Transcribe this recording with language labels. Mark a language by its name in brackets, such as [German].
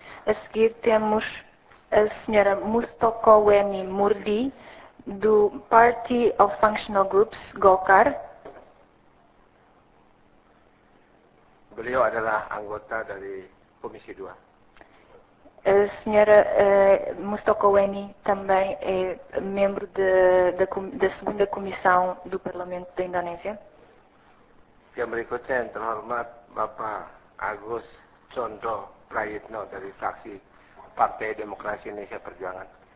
[Portuguese] A seguir temos a senhora Mustoko Weni Murdi, do Party of Functional Groups, Golkar. [Indonesian] Beliau adalah anggota dari Komisi 2. [Portuguese] A senhora Mustoko Weni também é membro da segunda comissão do Parlamento da Indonésia. [Indonesian] Yang berikutnya yang terhormat Bapak Agus Condro Prayitno dari fraksi Partai Demokrasi Indonesia Perjuangan.